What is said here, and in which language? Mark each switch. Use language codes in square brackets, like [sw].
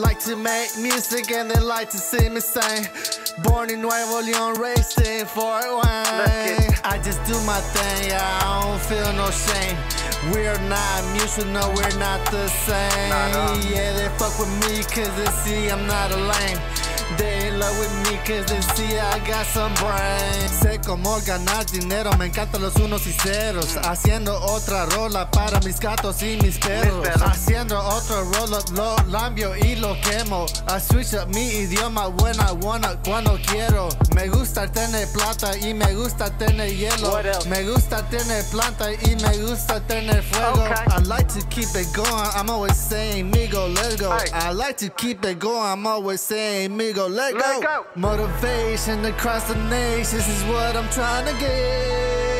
[en] Like to make music and they like to see me sing. Born in Nuevo León, raised in Fort Wayne. I just do my thing, yeah, I don't feel no shame. We're not mutual, no, we're not the same. Yeah, they fuck with me cause they see I'm not a lame. They in love with me cause they see I got some brains. [es] Sé cómo ganar dinero, me encantan los unos y ceros. Haciendo otra rola para mis gatos y mis perros. Haciendo otro rola, lo lambio y lo quemo. [en] I switch up [es] mi idioma [en] when I wanna, [es] cuando quiero. Me gusta tener plata y me gusta tener hielo. Me gusta tener planta y me gusta tener fuego. [en] Okay. I like to keep it going, I'm always saying amigo, let's go. I like to keep it going, I'm always saying amigo. Go, let go. Let go. Motivation across the nations is what I'm trying to get.